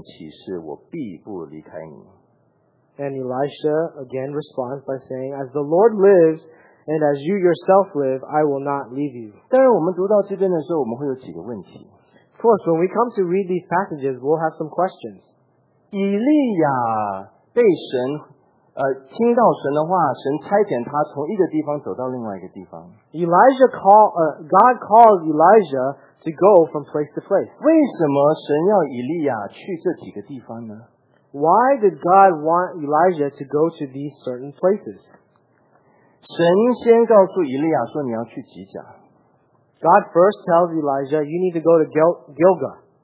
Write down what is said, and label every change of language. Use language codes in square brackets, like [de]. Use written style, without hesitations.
[zh] 可是以利莎说，我指着永生的耶和华，又敢在你面前起誓，我必不离开你。 [en] And Elisha again responds by saying, as the Lord lives, and as you yourself live, I will not leave you. Of course, when we come to read these passages, we'll have some questions. [zh] 以利亚被神听到神的话，神差遣他从一个地方走到另外一个地方。Elijah [en] God calls Elijah to go from place to place. [zh] 为什么神要以利亚去这几个地方呢? [en] Why did God want Elijah to go to these certain places? [zh] 神先告诉以利亚说你要去基甲。God [en] first tells Elijah, you need to go to Gilgal.